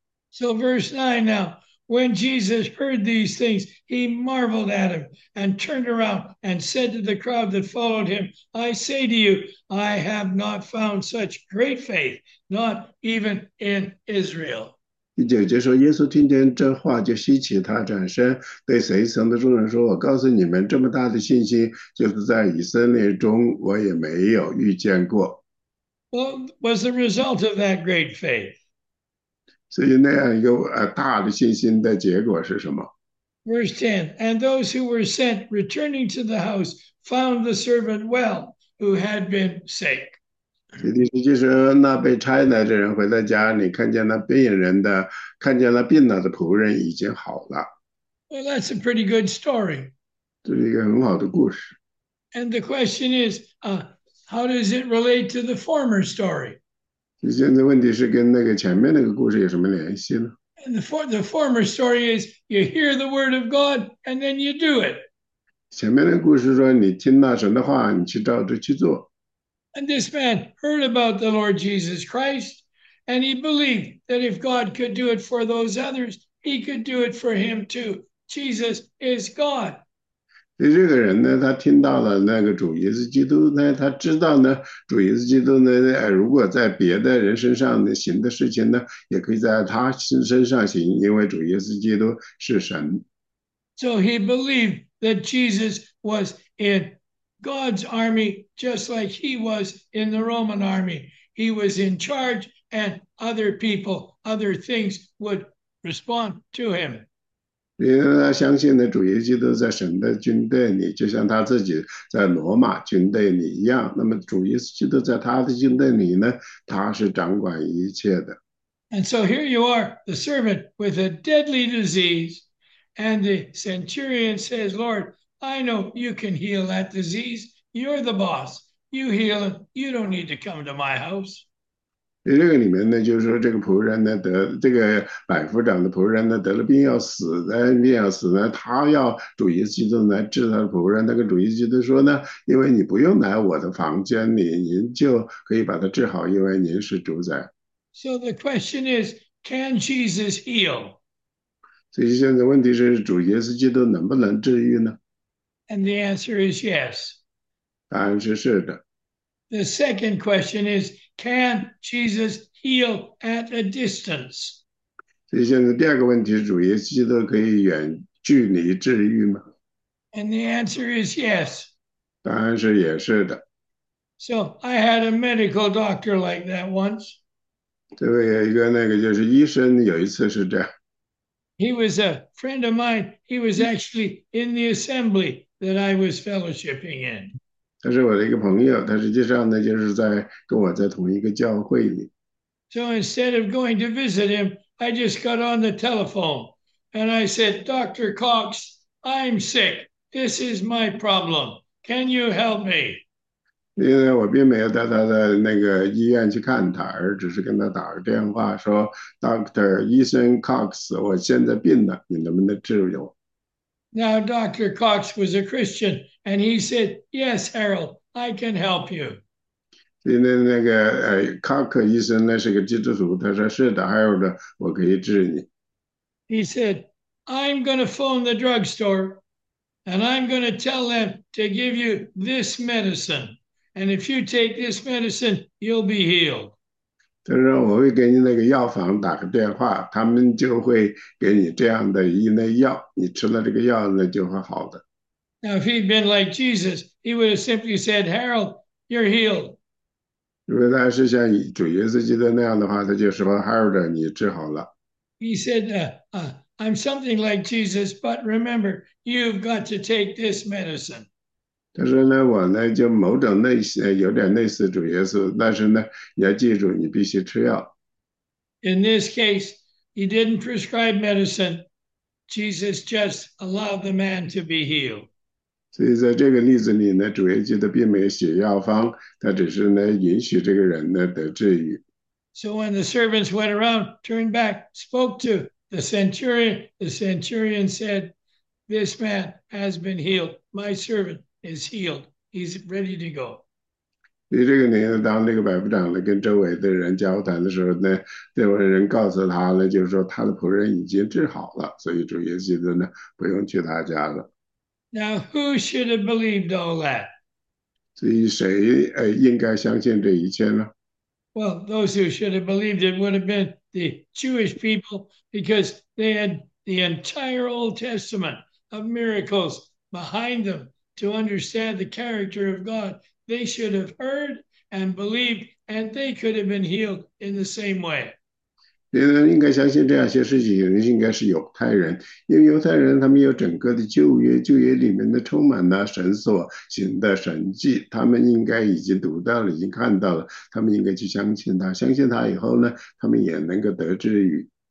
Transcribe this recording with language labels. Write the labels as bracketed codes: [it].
[en] So verse 9 now, when Jesus heard these things, he marveled at him and turned around and said to the crowd that followed him, I say to you, I have not found such great faith, not even in Israel. [zh] 第9节说，耶稣听见这话就稀奇，他转身对随从的众人说：“我告诉你们，这么大的信心，就是在以色列中，我也没有遇见过。 [en] What was the result of that great faith? [zh] 所以那样一个大的信心的结果是什么？” [en] Verse 10, and those who were sent returning to the house found the servant well who had been sick. [zh] 第10节说，那被差来的人回到家里，看见了病了的仆人已经好了。 [en] Well, that's a pretty good story. [zh] 这是一个很好的故事。 [en] And the question is, how does it relate to the former story? [zh] 现在问题是跟那个前面那个故事有什么联系呢？ [en] And the former story is you hear the word of God and then you do it. [zh] 前面那个故事说，你听到神的话，你去照着去做。 [en] And this man heard about the Lord Jesus Christ, and he believed that if God could do it for those others, he could do it for him too. Jesus is God. [zh] 所以这个人呢，他听到了那个主耶稣基督呢，他知道呢，主耶稣基督呢，如果在别的人身上行的事情呢，也可以在他身上行，因为主耶稣基督是神。 [en] So he believed that Jesus was in God's army, just like he was in the Roman army. He was in charge, and other people, other things would respond to him. [zh] 因为他相信呢，主耶稣基督在神的军队里，就像他自己在罗马军队里一样。那么主耶稣基督在他的军队里呢，他是掌管一切的。 [en] And so here you are, the servant with a deadly disease. And the centurion says, Lord, I know you can heal that disease. You're the boss. You heal it. You don't need to come to my house. [zh] 这个里面呢，就是说这个仆人呢得这个百夫长的仆人呢得了病要死呢，他要主耶稣基督来治他的仆人。他跟主耶稣基督说呢，因为你不用来我的房间里，您就可以把他治好，因为您是主宰。 [en] So the question is, can Jesus heal? [zh] 所以现在问题是，主耶稣基督能不能治愈呢？ [en] And the answer is yes. [zh] 答案是是的。 [en] The second question is, can Jesus heal at a distance? [zh] 所以现在第二个问题是，主耶稣基督可以远距离治愈吗？ [en] And the answer is yes. [zh] 答案是也是的。 [en] So I had a medical doctor like that once. [zh] 这位一个那个就是医生，有一次是这样。 [en] He was a friend of mine. He was actually in the assembly that I was fellowshipping in. [zh] 他是我的一个朋友，他实际上呢，就是在跟我在同一个教会里。 [en] So instead of going to visit him, I just got on the telephone and I said, Dr. Cox, I'm sick. This is my problem. Can you help me? [zh] 因为我并没有带他的那个医院去看他，而只是跟他打个电话说 ，Doctor 医生 Cox， 我现在病了，你能不能治我？ [en] Now, Dr. Cox was a Christian, and he said, Yes, Harold, I can help you. [zh] 因为那个Cox 医生呢是个基督徒，他说是的，还有的我可以治你。 [en] He said, I'm going to phone the drugstore, and I'm going to tell them to give you this medicine. And if you take this medicine, you'll be healed. [zh] 他说我会给你那个药房打个电话，他们就会给你这样的一类药，你吃了这个药呢就会好的。 [en] Now, if he'd been like Jesus, he would have simply said, Harold, you're healed. [zh] 如果他是像主耶稣基督那样的话，他就说 Harold， 你治好了。 [en] He said, I'm something like Jesus, but remember, you've got to take this medicine. [zh] 他说呢，我呢就某种类似，有点类似主耶稣，但是呢，你要记住，你必须吃药。 [en] In this case, he didn't prescribe medicine. Jesus just allowed the man to be healed. [zh] 所以在这个例子里呢，主耶稣基督并没有写药方，他只是呢允许这个人呢得治愈。 [en] So when the servants went around, turned back, spoke to the centurion said, This man has been healed. My servant is healed. He's ready to go. [zh] 所以这个呢，当那个百夫长呢跟周围的人交谈的时候呢，这位人告诉他呢，就是说他的仆人已经治好了，所以主耶稣基督呢不用去他家了。 [en] Now, who should have believed all that? [zh] 所以谁应该相信这一切呢？ [en] Well, those who should have believed it would have been the Jewish people because they had the entire Old Testament of miracles behind them to understand the character of God. They should have heard and believed, and they could have been healed in the same way. [zh] 别人应该相信这样些事情，人应该是犹太人，因为犹太人他们有整个的旧约，旧约里面的充满了神所行的神迹，他们应该已经读到了，已经看到了，他们应该去相信他，相信他以后呢，他们也能够得治愈。